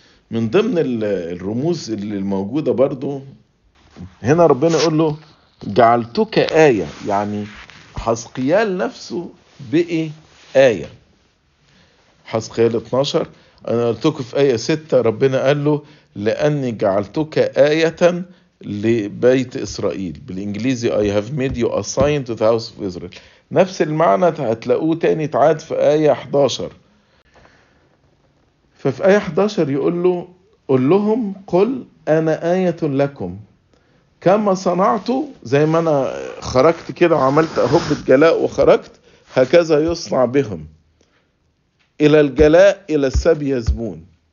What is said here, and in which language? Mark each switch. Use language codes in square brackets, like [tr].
[ar] من ضمن الرموز اللي الموجوده برضو هنا ربنا يقول له جعلتك ايه، يعني حزقيال نفسه بقي ايه. حزقيال 12 انا قلتك في ايه 6 ربنا قال له لاني جعلتك ايه لبيت اسرائيل. [en] بالانجليزي I have made you a sign to the house of Israel، [ar] نفس المعنى هتلاقوه تاني تعاد في ايه 11. ففي ايه 11 يقول له قل لهم قل انا ايه لكم كما صنعت، زي ما انا خرجت كده وعملت هبة جلاء وخرجت هكذا يصنع بهم، الى الجلاء الى السبي يزبون.